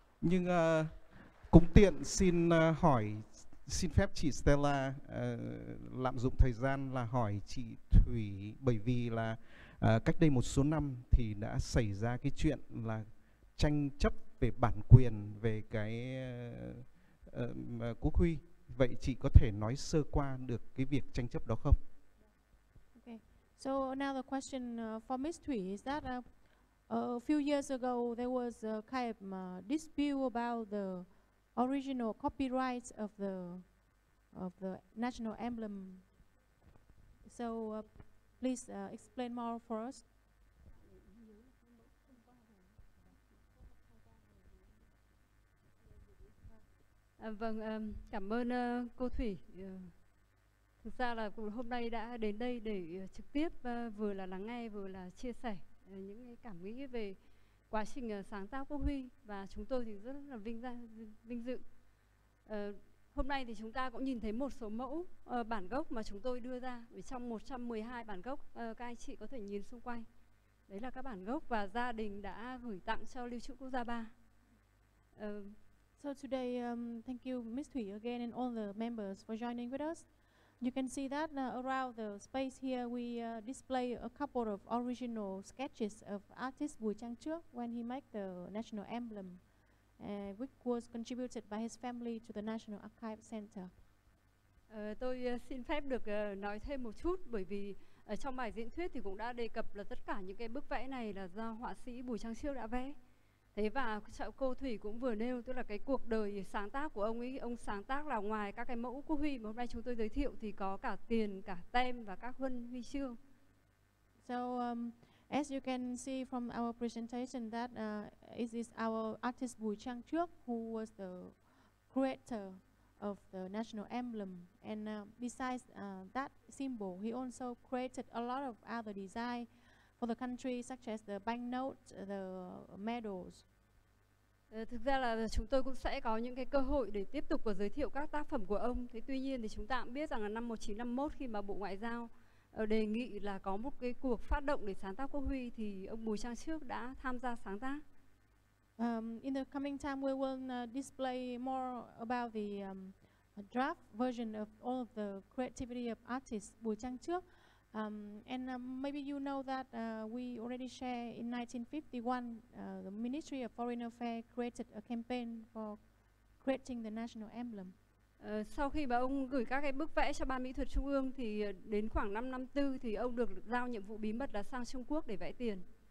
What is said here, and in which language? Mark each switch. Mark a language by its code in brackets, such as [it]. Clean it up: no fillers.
[vi] Nhưng cũng tiện xin hỏi, xin phép chị Stella lạm dụng thời gian là hỏi chị Thủy, bởi vì là cách đây một số năm thì đã xảy ra cái chuyện là tranh chấp về bản quyền về cái quốc huy. Vậy chị có thể nói sơ qua được cái việc tranh chấp đó không? [en] Okay. So now the question for Miss Thủy is that a few years ago there was a kind of dispute about the original copyright of the national emblem. So please explain more for us. [vi] Vâng, cảm ơn cô Thủy. Thực ra là hôm nay đã đến đây để trực tiếp vừa là lắng nghe vừa là chia sẻ những cảm nghĩ về quá trình sáng tạo quốc huy, và chúng tôi thì rất là vinh dự. Hôm nay thì chúng ta cũng nhìn thấy một số mẫu bản gốc mà chúng tôi đưa ra. Trong 112 bản gốc, các anh chị có thể nhìn xung quanh. Đấy là các bản gốc và gia đình đã gửi tặng cho Lưu trữ Quốc gia 3. [en] So today, thank you Ms. Thủy again and all the members for joining with us. You can see that around the space here we display a couple of original sketches of artist Bùi Trang Trước when he made the national emblem, which was contributed by his family to the National Archive Center. [vi] Tôi xin phép được nói thêm một chút, bởi vì ở trong bài diễn thuyết thì cũng đã đề cập là tất cả những cái bức vẽ này là do họa sĩ Bùi Trang Trước đã vẽ. Thế và cô Thủy cũng vừa nêu, tức là cái cuộc đời sáng tác của ông ấy, ông sáng tác là ngoài các cái mẫu quốc huy mà hôm nay chúng tôi giới thiệu thì có cả tiền, cả tem và các huân huy chương. [en] So as you can see from our presentation that it is our artist Bùi Trang Trước who was the creator of the national emblem, and besides that symbol, he also created a lot of other design for the country, such as the banknote, the medals. [vi] Thực ra là chúng tôi cũng sẽ có những cái cơ hội để tiếp tục và giới thiệu các tác phẩm của ông. Thế tuy nhiên thì chúng ta cũng biết rằng là năm 1951 khi mà Bộ Ngoại giao đề nghị là có một cái cuộc phát động để sáng tác quốc huy thì ông Bùi Trang Trước đã tham gia sáng tác. [en] In the coming time, we will display more about the draft version of all of the creativity of artist Bùi Trang Trước. And maybe you know that we already share in 1951, the Ministry of Foreign Affairs created a campaign for creating the national emblem. [vi] Sau khi mà ông gửi các cái bức vẽ cho Ban Mỹ thuật Trung ương thì đến khoảng 1954 thì ông được giao nhiệm vụ bí mật là sang Trung Quốc để vẽ tiền.